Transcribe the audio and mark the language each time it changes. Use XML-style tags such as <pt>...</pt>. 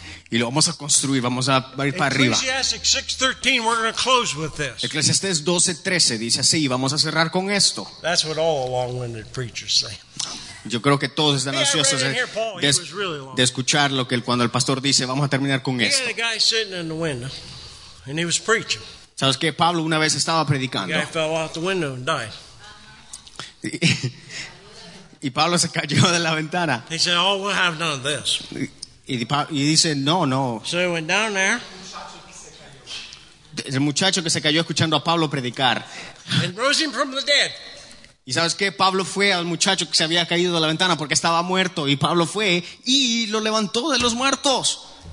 <es>Y lo vamos a construir, vamos a ir para arriba. Eclesiastés 12:13 dice así, y vamos a cerrar con esto.</es> <en>That's what all long-winded preachers say.</en> <es>Yo creo que todos están ansiosos de escuchar lo que cuando el pastor dice, vamos a terminar con esto.</es> <en>He had a guy sitting in the window, and he was preaching.</en> <es>¿Sabes qué? Pablo una vez estaba predicando.</es> <en>The guy fell out the window and died.</en> <es>Y Pablo se cayó de la ventana.</es> <en>He said, oh, we'll have none of this.</en> <es>Y dice, no, no.</es> <en>So he went down there.</en> <es>El muchacho que se cayó escuchando a Pablo predicar.</es> <en>And rose him from the dead.</en> <es>Y sabes qué, Pablo fue al muchacho que se había caído de la ventana porque estaba muerto. Y Pablo fue y lo levantó de los muertos.</es>